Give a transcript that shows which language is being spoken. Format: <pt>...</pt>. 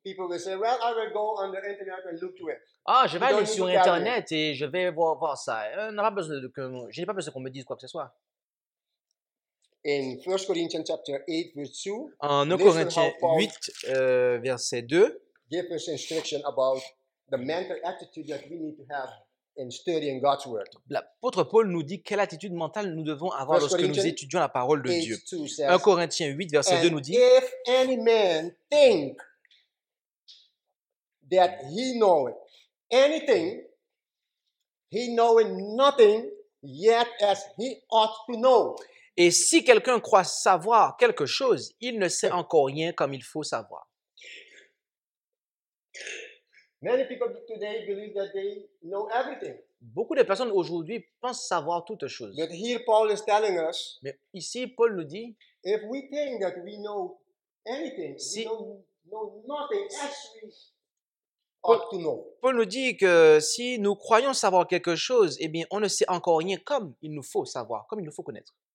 <en>People will say, well, I will go on the internet and look to it.</en> <fr>Ah, je vais aller sur Internet et je vais voir ça. Je n'ai pas besoin qu'on me dise quoi que ce soit.</fr> <en>In 1 Corinthians chapter 8, verse 2,</en> <fr>en 1 Corinthiens 8, verset 2,</fr> <en>give us instruction about the mental attitude that we need to have in studying God's word.</en> <fr>L'apôtre Paul nous dit quelle attitude mentale nous devons avoir lorsque nous étudions la parole de Dieu. 1 Corinthiens 8, verset 2 nous dit,</fr> <en>if any man think that he knoweth anything, he knoweth nothing yet as he ought to know.</en> <fr>Et si quelqu'un croit savoir quelque chose, il ne sait encore rien comme il faut savoir.</fr> <en>Many people today believe that they know everything.</en> <fr>Beaucoup de personnes aujourd'hui pensent savoir toutes choses.</fr> <en>But here Paul is telling us,</en> <fr>mais ici, Paul nous dit,</fr> <en>if we think that we know anything, si we know nothing as we ought to know.</en> <fr>Paul nous dit que si nous croyons savoir quelque chose, eh bien, on ne sait encore rien comme il nous faut savoir, comme il nous faut connaître.</fr>